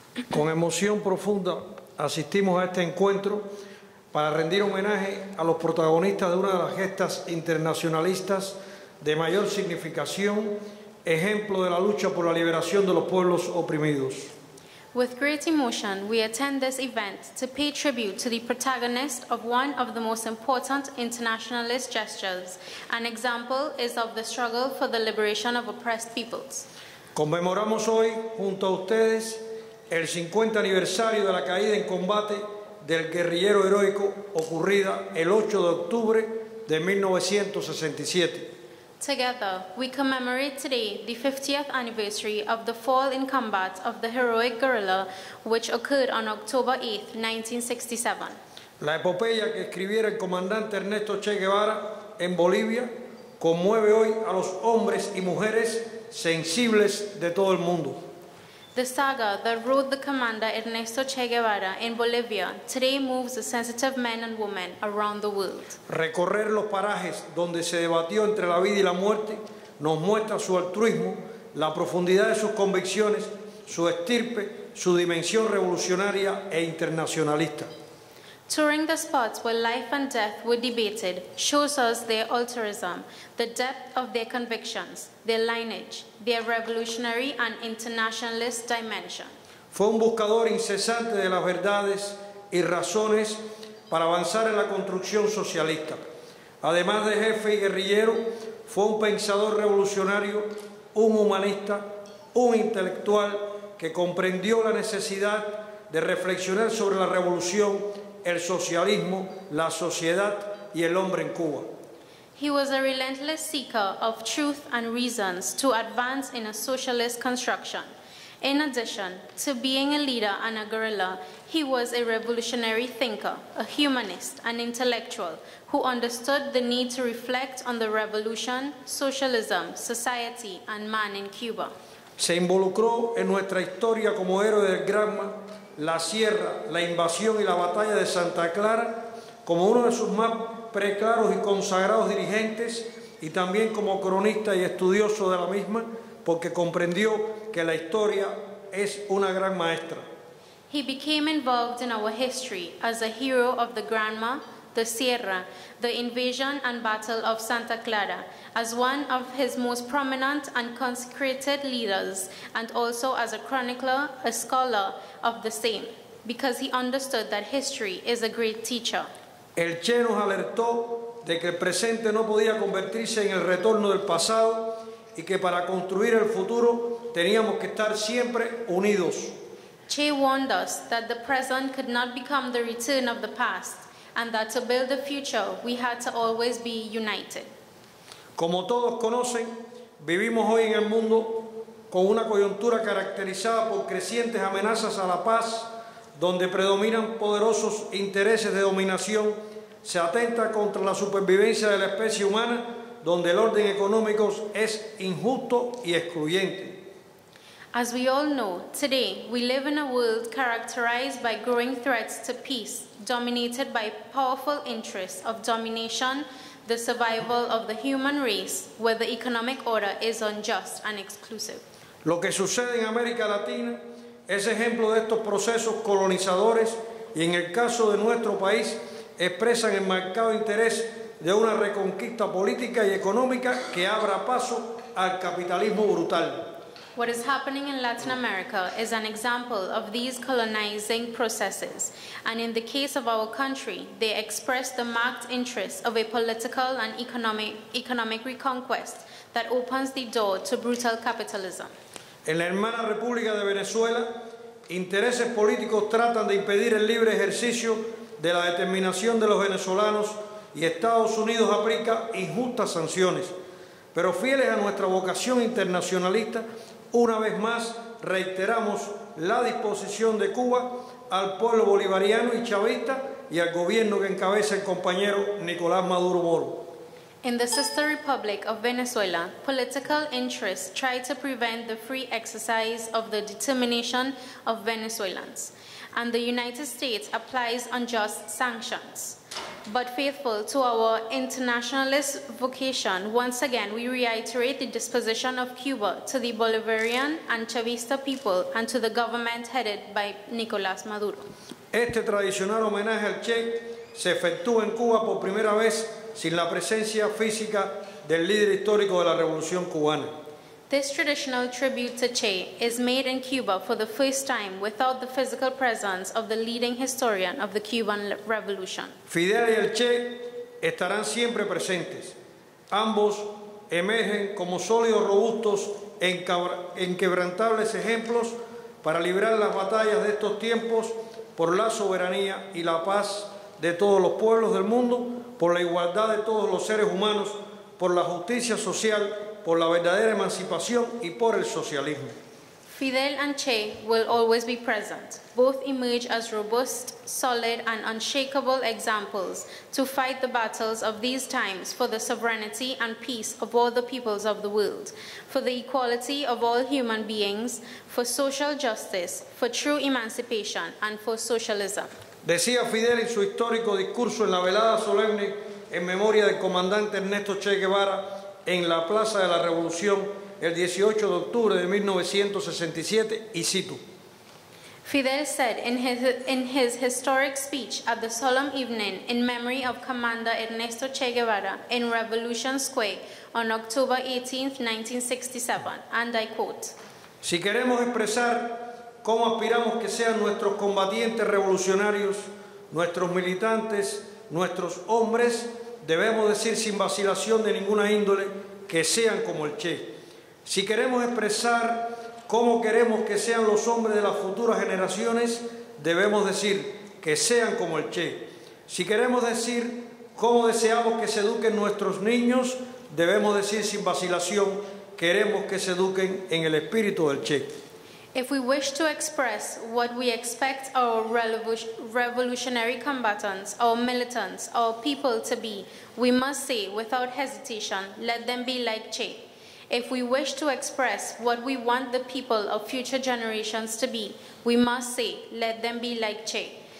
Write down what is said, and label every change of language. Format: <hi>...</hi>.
<es>con emoción profunda asistimos a este encuentro para rendir homenaje a los protagonistas de una de las gestas internacionalistas de mayor significación, ejemplo de la lucha por la liberación de los pueblos oprimidos.</es> <en>With great emotion, we attend this event to pay tribute to the protagonist of one of the most important internationalist gestures. An example is of the struggle for the liberation of oppressed peoples.</en> <es>Conmemoramos hoy, junto a ustedes, el 50 aniversario de la caída en combate del guerrillero heroico ocurrida el 8 de octubre de 1967.</es> <en>Together, we commemorate today the 50th anniversary of the fall in combat of the heroic guerrilla, which occurred on October 8, 1967.</en> <es>La epopeya que escribiera el comandante Ernesto Che Guevara en Bolivia conmueve hoy a los hombres y mujeres sensibles de todo el mundo.</es> <en>The saga that wrote the commander Ernesto Che Guevara in Bolivia today moves the sensitive men and women around the world.</en> <es>Recorrer los parajes donde se debatió entre la vida y la muerte nos muestra su altruismo, la profundidad de sus convicciones, su estirpe, su dimensión revolucionaria e internacionalista.</es> <en>Touring the spots where life and death were debated shows us their altruism, the depth of their convictions, their lineage, their revolutionary and internationalist dimension.</en> <es>Fue un buscador incesante de las verdades y razones para avanzar en la construcción socialista. Además de jefe y guerrillero, fue un pensador revolucionario, un humanista, un intelectual que comprendió la necesidad de reflexionar sobre la revolución, el socialismo, la sociedad y el hombre en Cuba.</es> <en>He was a relentless seeker of truth and reasons to advance in a socialist construction. In addition to being a leader and a guerrilla, he was a revolutionary thinker, a humanist, an intellectual who understood the need to reflect on the revolution, socialism, society, and man in Cuba.</en> <es>Se involucró en nuestra historia como héroe del Granma, la sierra, la invasión y la batalla de Santa Clara como uno de sus más preclaros y consagrados dirigentes y también como cronista y estudioso de la misma porque comprendió que la historia es una gran maestra.</es> <en>He became involved in our history as a hero of the Granma, the sierra, the invasion and battle of Santa Clara, as one of his most prominent and consecrated leaders, and also as a chronicler, a scholar of the same, because he understood that history is a great teacher.</en> <es>El Che nos alertó de que el presente no podía convertirse en el retorno del pasado y que para construir el futuro teníamos que estar siempre unidos.</es> <en>Che warned us that the present could not become the return of the past, and that to build the future we had to always be united.</en> <es>Como todos conocen, vivimos hoy en el mundo con una coyuntura caracterizada por crecientes amenazas a la paz, donde predominan poderosos intereses de dominación, se atenta contra la supervivencia de la especie humana donde el orden económico es injusto y excluyente.</es> <en>As we all know, today we live in a world characterized by growing threats to peace, dominated by powerful interests of domination, the survival of the human race, where the economic order is unjust and exclusive.</en> <es>Lo que sucede en América Latina es ejemplo de estos procesos colonizadores y en el caso de nuestro país expresan el marcado interés de una reconquista política y económica que abra paso al capitalismo brutal.</es> <en>What is happening in Latin America is an example of these colonizing processes, and in the case of our country, they express the marked interest of a political and economic reconquest that opens the door to brutal capitalism.</en> <es>En la hermana República de Venezuela, intereses políticos tratan de impedir el libre ejercicio de la determinación de los venezolanos y Estados Unidos aplica injustas sanciones. Pero fieles a nuestra vocación internacionalista, una vez más reiteramos la disposición de Cuba al pueblo bolivariano y chavista y al gobierno que encabeza el compañero Nicolás Maduro Moro.</es> <en>In the sister republic of Venezuela, political interests try to prevent the free exercise of the determination of Venezuelans, and the United States applies unjust sanctions. But faithful to our internationalist vocation, once again we reiterate the disposition of Cuba to the Bolivarian and Chavista people and to the government headed by Nicolás Maduro.</en> <es>Este tradicional homenaje al Che se efectúa en Cuba por primera vez sin la presencia física del líder histórico de la Revolución Cubana.</es> <en>This traditional tribute to Che is made in Cuba for the first time without the physical presence of the leading historian of the Cuban Revolution.</en> <es>Fidel y el Che estarán siempre presentes. Ambos emergen como sólidos, robustos e inquebrantables ejemplos para librar las batallas de estos tiempos por la soberanía y la paz de todos los pueblos del mundo, por la igualdad de todos los seres humanos, por la justicia social, por la verdadera emancipación y por el socialismo.</es> <en>Fidel and Che will always be present. Both emerge as robust, solid and unshakable examples to fight the battles of these times for the sovereignty and peace of all the peoples of the world, for the equality of all human beings, for social justice, for true emancipation and for socialism.</en> <es>Decía Fidel en su histórico discurso en la velada solemne en memoria del comandante Ernesto Che Guevara en la Plaza de la Revolución el 18 de octubre de 1967, y cito.</es> <en>Fidel said in his historic speech at the solemn evening in memory of Commander Ernesto Che Guevara in Revolution Square on October 18, 1967, and I quote.</en> <es>Si queremos expresar cómo aspiramos que sean nuestros combatientes revolucionarios, nuestros militantes, nuestros hombres, debemos decir sin vacilación de ninguna índole que sean como el Che. Si queremos expresar cómo queremos que sean los hombres de las futuras generaciones, debemos decir que sean como el Che. Si queremos decir cómo deseamos que se eduquen nuestros niños, debemos decir sin vacilación, queremos que se eduquen en el espíritu del Che.</es> <en>If we wish to express what we expect our revolutionary combatants, our militants, our people to be, we must say without hesitation, let them be like Che. If we wish to express what we want the people of future generations to be, we must say, let them be like Che.</en>